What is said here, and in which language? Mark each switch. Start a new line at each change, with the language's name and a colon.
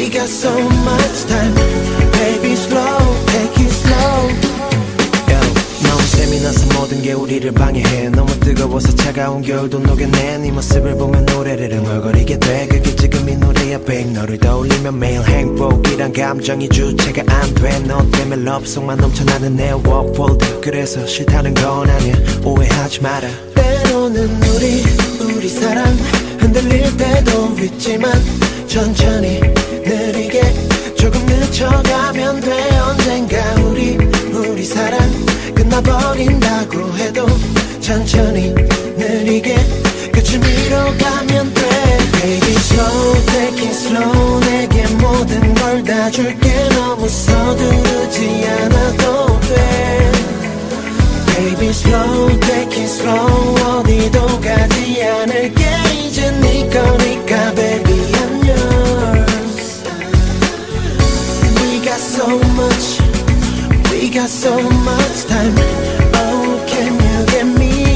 English: So much time, baby, slow, take it slow.
Korean: Yo, 너무 셈이 나서 모든 게 우리를 방해해. 너무 뜨거워서 차가운 겨울도 녹여내. 네 모습을 보면 노래를 흥얼거리게 돼. 그게 지금 이 노래야, babe. 너를 떠올리면 매일 행복이란 감정이 주체가 안 돼. 너 때문에 love song만 넘쳐나는 내 walk folder. 그래서 싫다는 건 아니야, 오해하지 마라. 때로는 우리 사랑 흔들릴 때도 있지만 천천히 느리게 조금 늦춰가면 돼. 언젠가 우리 사랑 끝나버린다고 해도 천천히 느리게 끝을 밀어가면 돼.
English: Take it slow, take it slow.
Korean: 내게 모든 걸 다 줄게. 너무 서두르지 않아도 돼.
English: Baby slow, take it slow.
Korean: 어디도 가지 않을게. 이제 네 거니까
English: baby I'm yours. We got so much, we got so much time. Oh, can you get me?